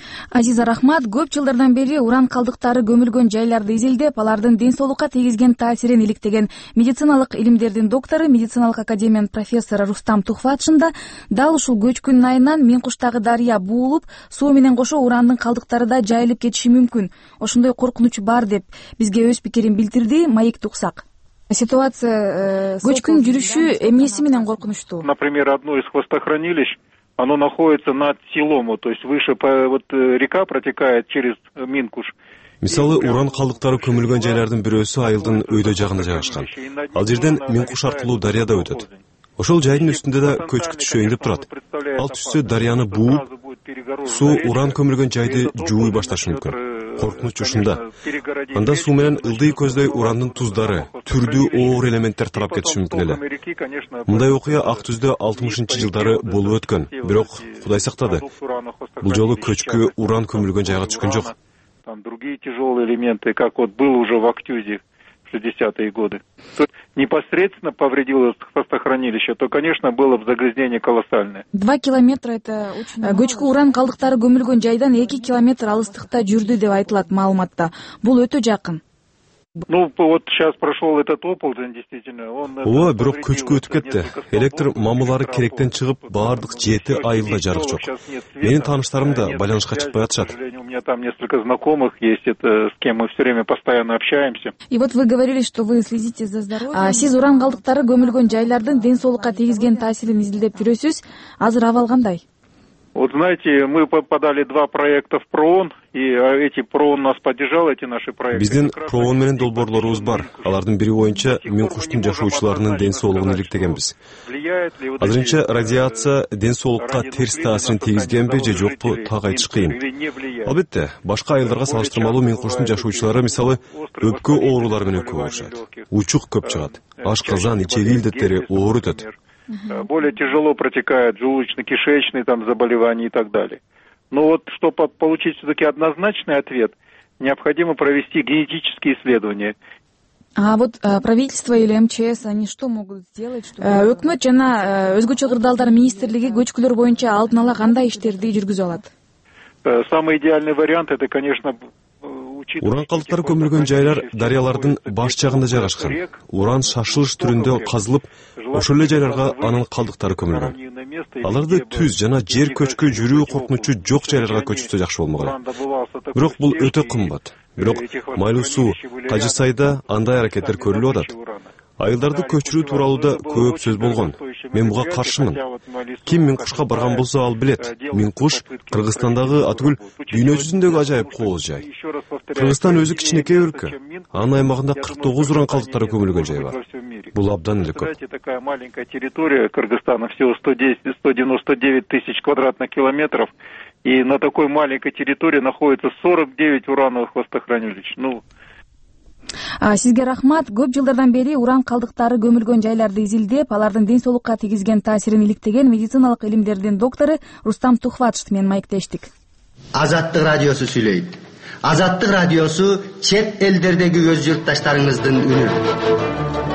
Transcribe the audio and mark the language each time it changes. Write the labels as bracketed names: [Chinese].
[Kyrgyz] Азиза Рахмат көп жылдардан бери уран калдыктары көмүлгөн жайларды изилдеп, алардын ден соолукка тийгизген таасирин иликтеген медициналык илимдердин доктору, медициналык академиянын профессору Рустам Тухватшин да дал ушул көчкүн айынан Минкуштагы дарыя буулуп, суу менен кошо урандын калдыктары да жайылып кетиши мүмкүн. Ошондой коркунуч бар деп бизге өз пикирин билдирди Маекти Уксак. Ситуация көчкүн жүрүшү эмнеси менен коркунучтуу? [Russian] Например, одно из хвостохранилищ, оно находится над селом, то есть выше по, вот река протекает через Минкуш. [Kyrgyz] Мисалы, уран калдыктары көмүлгөн жайлардын бирөөсү айылдын өйдө жагына жайгашкан. Ал жерден Минкуш аркылуу дарыяда өтөт. Ошол жайдын үстүндө да көчкүн шөйүнүп турат. Ал түшсө дарыяны бууп, суу уран көмүлгөн жайды жууй башташы мүмкүн. Коркунуч ушунда. Анда суу менен ылдый көздөй урандын туздары, түрдүү оор элементтер тарап кетиши мүмкүн эле. Мындай окуя ак түздө 60-жылдары болуп өткөн, бирок Кудай сактады. Бул жолу көчкү уран көмүлгөн жайга түшкөн жок. [Russian] Там другие тяжелые элементы, как вот был уже в Актюзе в 60-е годы. Непосредственно повредилось хвостохранилище, то, конечно, было бы загрязнение колоссальное. 2 километра это очень мало. [Kyrgyz] Көчкү уран калдыктары көмүлгөн жайдан 2 километр алыстыкта жүрдү деп айтылат маалыматта. Бул өтө жакын. [Russian] Ну, вот сейчас прошел этот оползень, действительно. [Kyrgyz] Ооба, бирок көчкү өтүп кетти. Электр мамулары керектен чыгып, баардык 7 айылда жарык жок. Менин тааныштарым да байланышка чыкпай атышат. [Russian] У меня там несколько знакомых есть, это с кем мы все время постоянно общаемся. И вот вы говорили, что вы следите за здоровьем. [Kyrgyz] Сиз уран калдыктары көмүлгөн жайлардын ден соолукка тийгизген таасирин изилдеп жүрөсүз, азыр абал кандай? [Russian] Вот знаете, мы подали 2 проекта в ПРООН, и эти ПРООН нас поддержал, эти наши проекты. [Kyrgyz] Биздин ПРООН менен долбоорлорубуз бар. Алардын бири боюнча Минкуштун жашоочуларынын ден соолугун иликтегенбиз. Азырынча радиация ден соолукка терс таасирин тийгизгенби же жокпу так айтыш кыйын. Албетте, башка айылдарга салыштырмалуу Минкуштун жашоочулары, мисалы, өпкө оорулары менен көп болушат. Учук көп чыгат. Ашказан, ичеги илдеттери оор өтөт. [Russian] Более тяжело протекают желудочно-кишечные там заболевания и так далее. Но вот, чтобы получить все-таки однозначный ответ, необходимо провести генетические исследования. А вот правительство или МЧС, они что могут сделать, чтобы... [Kyrgyz] Өкмөт жана өзгөчө кырдаалдар министрлиги көчкүлөр боюнча алдын ала кандай иштерди жүргүзө алат? [Russian] Самый идеальный вариант, это, конечно... [Kyrgyz] Уран калдыктары көмүлгөн жайлар дарыялардын баш жагында жайгашкан. Уран шашылыш түрүндө казылып, ошол эле жайларга анын калдыктары көмүлгөн. Аларды түз жана жер көчкү жүрүү коркунучу жок жайларга көчүрсө жакшы болмок эле. Бирок бул өтө кымбат. Бирок майлуу суу, Кажы Сайда андай аракеттер көрүлүп атат. Айылдарды көчүрүү тууралуу да көп сөз болгон. Мен буга каршымын. Ким Минкушка барган болсо, ал билет. Минкуш Кыргызстандагы атүгүл дүйнө жүзүндөгү ажайып кооз жай. Кыргызстан өзү кичинекей өлкө. Анын аймагында 49 уран калдыктары көмүлгөн жай бар. Бул абдан эле көп. [Russian] Кстати, такая маленькая территория Кыргызстана, всего 110-199 тысяч квадратных километров. И на такой маленькой территории находится 49 урановых хвостохранилищ. Ну, [Kyrgyz] сизге рахмат. Көп жылдардан бери уран калдыктары көмүлгөн жайларды изилдеп, алардын ден соолукка тийгизген таасирин иликтеген медициналык илимдердин доктору Рустам Тухватшин менен маектештик. Азаттык радиосу сүйлөйт. Азаттык радиосу чет элдердеги өз журтташтарыңыздын үнү.